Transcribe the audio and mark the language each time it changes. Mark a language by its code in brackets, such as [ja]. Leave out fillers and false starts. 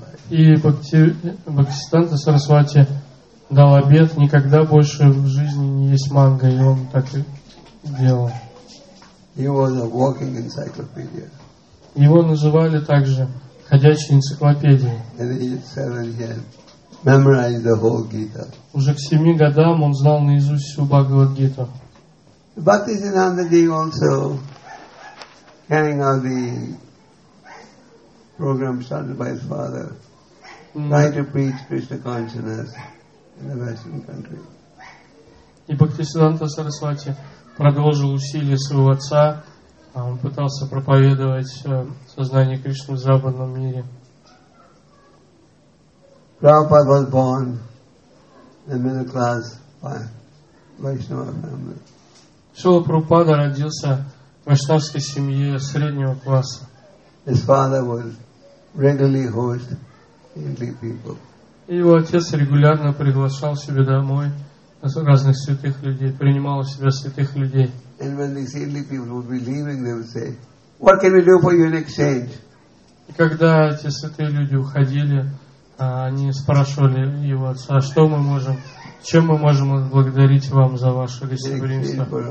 [ru] И Бхактисиддханта Сарасвати дал обет никогда больше в жизни не есть манго, и он так и делал. [en] He was a walking encyclopedia. [ru] Его называли также ходячей энциклопедией. [en] And he had 7 years. Memorize the whole Gita. [ru] Уже к 7 годам он знал наизусть всю Бхагавад-гиту. [en] Bhaktisiddhanta ji also carrying out the program started by his father, try to preach Krishna consciousness in the Western country. [ru] И Бхактисиддханта Сарасвати продолжил усилия своего отца, он пытался проповедовать сознание Кришны в западном мире. [en] Prabhupada was born in a middle class Vaishnava family. [ru] Шрила Прабхупада родился в вайшнавской семье среднего класса. [en] His father would regularly host holy people. [ru] И его отец регулярно приглашал себе домой разных святых людей, принимал у себя святых людей. [en] And when these holy people would be leaving, they would say, "What can we do for you in exchange?" [ru] И когда эти святые люди уходили, они спрашивали его отца, что мы можем, чем мы можем отблагодарить вам за ваше гостеприимство?